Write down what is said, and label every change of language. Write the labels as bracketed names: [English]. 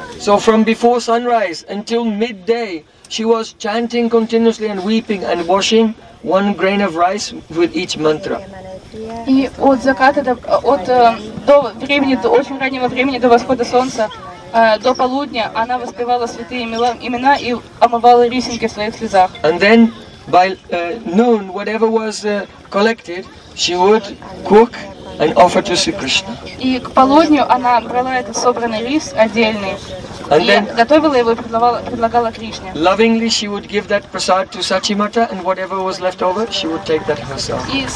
[English] So from before sunrise until midday, she was chanting continuously and weeping and washing one grain of rice with each mantra. [Russian] И от заката до времени, до очень раннего времени, до восхода солнца, до полудня, она воспевала святые имена и омывала рисинки в своих слезах. [English] And then by noon, whatever was collected, she would cook and offered to Sri Krishna. [Russian] И к полудню она брала этот собранный лист отдельный. [English] And then, lovingly she would give that prasad to Sachimata, and whatever was left over, she would take that herself.